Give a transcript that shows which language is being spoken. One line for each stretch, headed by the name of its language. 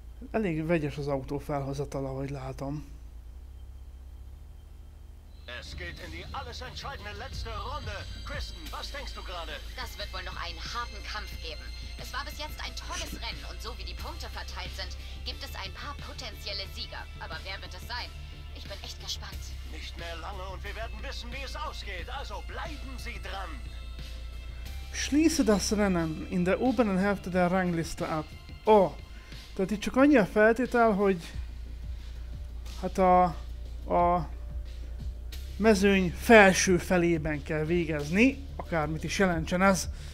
Hungarian: Elég vegyes az autó felhozatala, ahogy látom.
German: Es geht in die alles entscheidende letzte Runde. Kristen, was denkst du gerade? Das wird wohl noch einen harten Kampf geben. Es war bis jetzt ein tolles Rennen und so wie die Punkte verteilt sind, gibt es ein paar potenzielle Sieger. Aber wer wird es sein? Ich bin echt gespannt. Nicht mehr lange und wir werden wissen, wie es ausgeht. Also bleiben Sie dran. Schließe das Rennen in der oberen Hälfte der Rangliste ab.
Hungarian: Oh, tehát itt csak annyi a feltétel, hogy hát a mezőny felső felében kell végezni, akármit is jelentsen ez.